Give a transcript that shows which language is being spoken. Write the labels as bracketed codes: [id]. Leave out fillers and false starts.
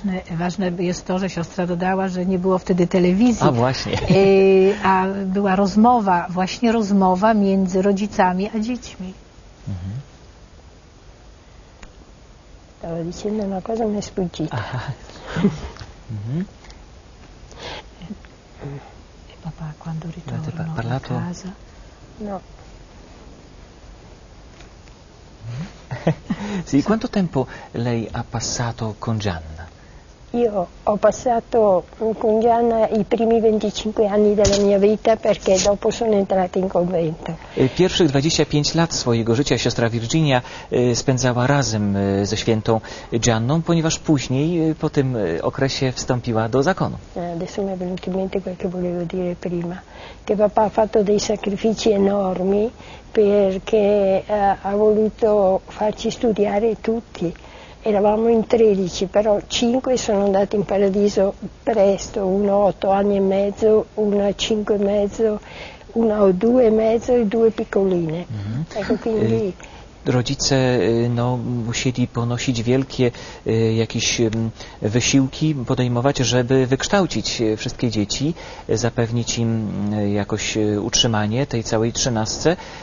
[pl] Ważne jest to, że siostra dodała, że nie było wtedy telewizji, a właśnie. A była rozmowa, właśnie rozmowa między rodzicami a dziećmi. Mhm. [it] Stavo dicendo una cosa, mi è sfuggita. E papà, quando ritorno a casa? No. Sì, quanto tempo lei ha passato con Gianna? Io ho passato con Gianna i primi 25 anni della mia vita, perché dopo sono entrata in convento. [pl] Pierwszych 25 lat swojego życia siostra Virginia spędzała razem ze świętą Gianną, ponieważ później po tym okresie wstąpiła do zakonu. [it] Adesso mi è venuto in mente quello che volevo dire prima, che papà ha fatto dei sacrifici enormi perché ha voluto farci studiare tutti. Eravamo in 13, però 5 sono andati in paradiso presto, uno 8 anni e mezzo, uno 5 e mezzo, uno 2 e mezzo e 2 piccoline. Mm-hmm. Ecco, quindi [pl] rodzice musieli ponosić wielkie jakieś wysiłki, podejmować, żeby wykształcić wszystkie dzieci, zapewnić im jakoś utrzymanie tej całej 13.